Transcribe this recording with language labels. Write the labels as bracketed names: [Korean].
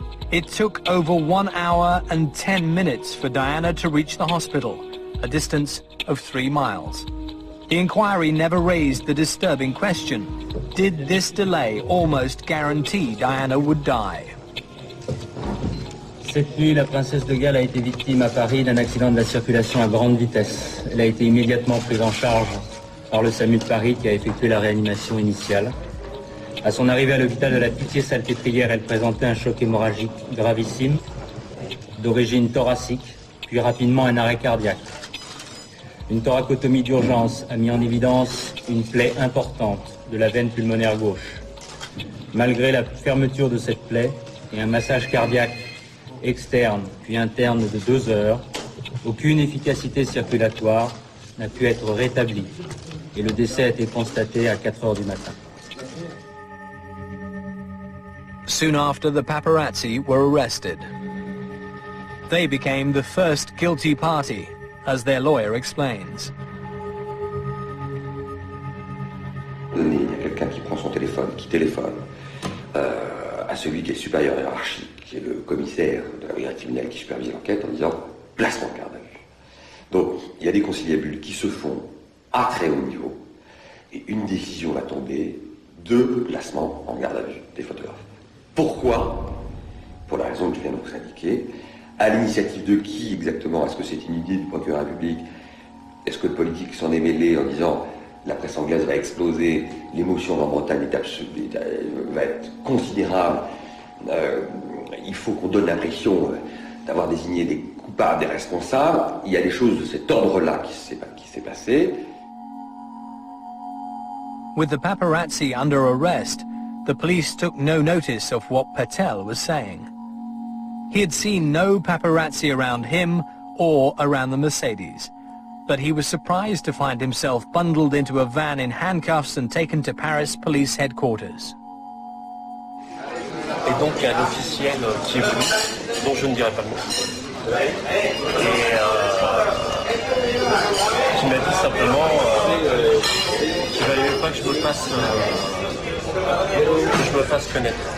[English] It took over 1 hour and 10 minutes for Diana to reach the hospital, a distance of 3 miles. The inquiry never raised the disturbing question, did this delay almost guarantee Diana would die? [French] Cette nuit, la princesse de Galles a été victime à Paris d'un accident de la circulation à grande vitesse. Elle a été immédiatement prise en charge par le SAMU de Paris qui a effectué la réanimation initiale. À son arrivée à l'hôpital de la Pitié-Salpêtrière, elle présentait un choc hémorragique gravissime, d'origine thoracique, puis rapidement un arrêt cardiaque. Une thoracotomie d'urgence a mis en évidence une plaie importante de la veine pulmonaire gauche. Malgré la fermeture de cette plaie et un massage cardiaque externe puis interne de 2 heures, aucune efficacité circulatoire n'a pu être rétablie. Et le décès a été constaté à 4 heures du matin. [English] Soon after, the paparazzi were arrested. They became the first guilty party, as their lawyer explains. [French] Il y a quelqu'un qui prend son téléphone, qui téléphone à celui qui est supérieur hiérarchique, qui est le commissaire de la brigade criminelle qui supervise l'enquête, en disant placement de garde à vue. Donc, il y a des conciliabules qui se font à très haut niveau, et une décision va tomber, de placement en garde à vue des photographes. Pourquoi? Pour la raison que je viens de vous indiquer. À l'initiative de qui exactement? Est-ce que c'est une idée du procureur de la République? Est-ce que le politique s'en est mêlé en disant la presse anglaise va exploser, l'émotion en Bretagne va être considérable, il faut qu'on donne l'impression d'avoir désigné des coupables, des responsables? Il y a des choses de cet ordre-là qui s'est passé. [English] With the paparazzi under arrest, the police took no notice of what Patel was saying. He had seen no paparazzi around him or around the Mercedes, but he was surprised to find himself bundled into a van in handcuffs and taken to Paris police headquarters. [French] Et donc il y a un officiel qui est flic, dont je ne dirai pas le nom. Et qui m'a dit simplement qu'il valait mieux pas que je me fasse connaître.